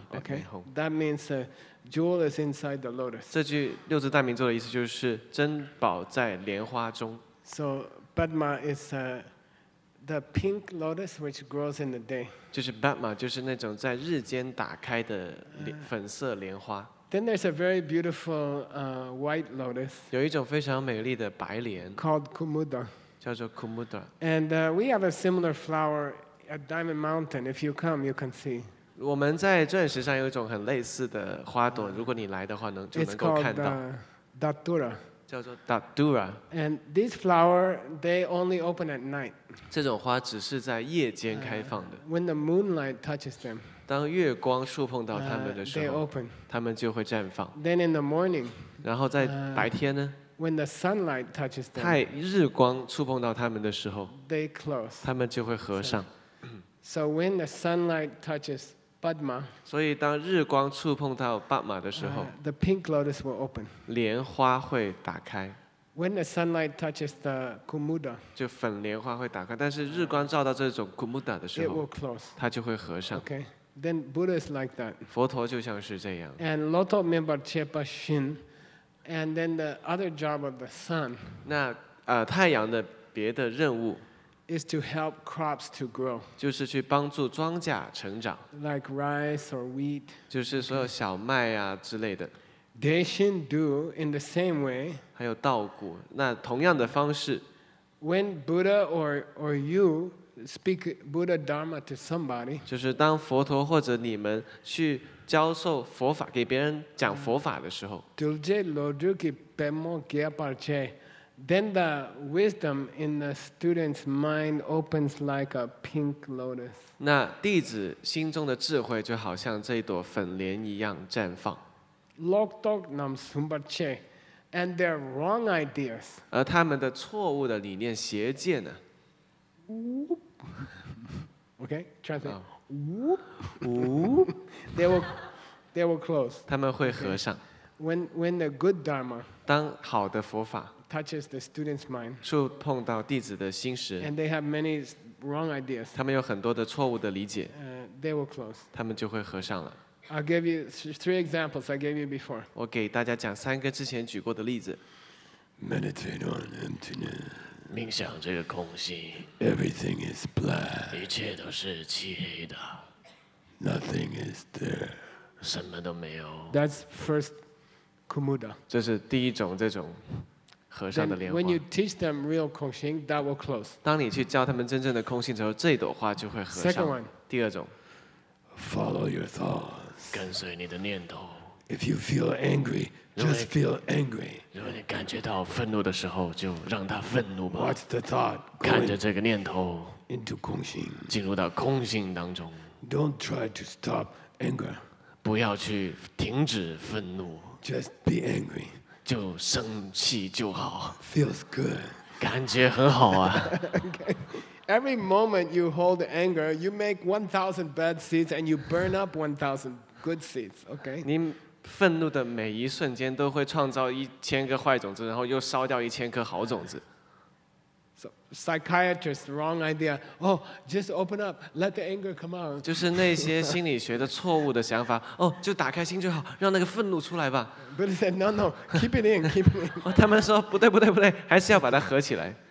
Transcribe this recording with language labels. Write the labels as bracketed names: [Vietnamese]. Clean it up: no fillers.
[English] okay that means jewel is inside the lotus [Chinese] 这句六字大明咒的意思就是珍宝在莲花中 [English] so Bedma is The pink lotus which grows in the day. [Chinese] 就是 Padma， 就是那种在日间打开的粉色莲花。 [English] Then there's a very beautiful white lotus. [Chinese] 有一种非常美丽的白莲。 [English] Called Kumuda. [Chinese] 叫做 Kumuda. [English] And we have a similar flower at Diamond Mountain. If you come, you can see. [Chinese] 我们在钻石上有一种很类似的花朵，如果你来的话能就能够看到。 [English] It's called Datura. [Chinese] 叫做 Datura， [English] and these flower they only open at night. [Chinese] 这种花只是在夜间开放的。 [English] When the moonlight touches them, [Chinese] 当月光触碰到它们的时候 [English] ，they open. [Chinese] 它们就会绽放。 [English] Then in the morning, [Chinese] 然后在白天呢 [English] ？When the sunlight touches them, [Chinese] 太日光触碰到它们的时候 [English] ，they close. [Chinese] 它们就会合上。 [English] So when the sunlight touches Padma, [Chinese] 所以当日光触碰到 Padma 的时候 [English] the pink lotus will open. [Chinese] 莲花会打开。 [English] When the sunlight touches the Kumuda, [Chinese] 就粉莲花会打开，但是日光照到这种 Kumuda 的时候 [English] it will close. [Chinese] 它就会合上。 [English] Okay. Then Buddha is like that. [Chinese] 佛陀就像是这样。 [English] And [Tibetan] Loto Mimba Chepa Shin, [English] and then the other job of the sun, [Chinese] 那太阳的别的任务 [English] is to help crops to grow. [Chinese] 就是去帮助庄稼成长。 [English] Like rice or wheat. [Chinese] 就是说小麦啊之类的。 [English] Daishin do in the same way. [Chinese] 还有稻谷，那同样的方式。 [English] When Buddha or you speak Buddha Dharma to somebody. [Chinese] 就是当佛陀或者你们去教授佛法给别人讲佛法的时候。 [Tibetan] Dulje lojuki pemo gyaparche. [English] Then the wisdom in the student's mind opens like a pink lotus. [Chinese] 那弟子心中的智慧就好像这朵粉莲一样绽放。 [Tibetan] Loktok nam sumbache, [English] and their wrong ideas. [Chinese] 而他们的错误的理念、邪见呢 [English] ？Whoop. Okay, translate. Whoop. Whoop. They will close. [Chinese] 他们会合上。 [English] Okay. When the good dharma. [Chinese] 当好的佛法。 [English] Touches the student's mind. [Chinese] 触碰到弟子的心时。 [English] And they have many wrong ideas. [Chinese] 他们有很多的错误的理解。 [English] They will close. [Chinese] 他们就会合上了。 [English] I'll give you three examples I gave you before. [Chinese] 我给大家讲三个之前举过的例子。 [English] Meditate on emptiness. [Chinese] 冥想这个空心。 [English] Everything is black. [Chinese] 一切都是漆黑的。 [English] Nothing is there. [Chinese] 什么都没有。 [English] That's first Kumuda. [Chinese] 这是第一种这种。和尚的莲花。 [English] When you teach them real Kongxing, that will close. [Chinese] 当你去教他们真正的空心之后，这朵花就会合上。 [English] Second one. [Chinese] 第二种。 [English] Follow your thoughts. [Chinese] 跟随你的念头。 [English] If you feel angry, just feel angry. [Chinese] 如果你感觉到愤怒的时候，就让它愤怒吧。 [English] Watch the thought. [Chinese] 看着这个念头。 [English] Into Kongxing. [Chinese] 进入到空心当中。 [English] Don't try to stop anger. [Chinese] 不要去停止愤怒。 [English] Just be angry. [Chinese] 就生气就好 [English] ，feels good， [Chinese] 感觉很好啊。 [English] Every moment you hold anger, you make 1,000 bad seeds and you burn up 1,000 good seeds. Okay. [Chinese] 你愤怒的每一瞬间都会创造1,000个坏种子，然后又烧掉1,000颗好种子。 [English] So psychiatrist's wrong idea. Oh, just open up, let the anger come out. [Chinese] 就是那些心理学的错误的想法。哦，就打开心就好，让那个愤怒出来吧。 [English] Buddha said, "No, no, keep it in, keep it in." [Chinese] 他们说不对，不对，不对，还是要把它合起来。